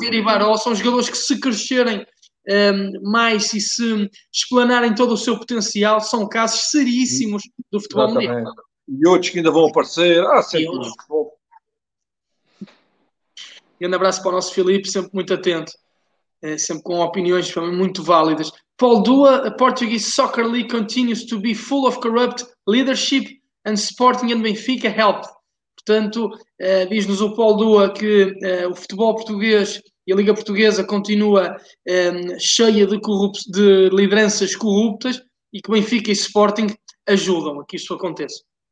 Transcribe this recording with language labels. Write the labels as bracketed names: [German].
[Portuguese] Vieira e Baró, são jogadores que se crescerem mais e se explanarem todo o seu potencial, são casos seríssimos do futebol mundial. Exatamente. E outros que ainda vão aparecer. Ah, E sempre. outros. Grande abraço para o nosso Filipe, sempre muito atento, sempre com opiniões também muito válidas. [English] Paul Dua, a Portuguese Soccer League continues to be full of corrupt leadership and Sporting and Benfica helped. [Portuguese] Portanto, diz-nos o Paul Dua que o futebol português e a Liga Portuguesa continua cheia de lideranças corruptas e que Benfica e Sporting ajudam a que isso aconteça.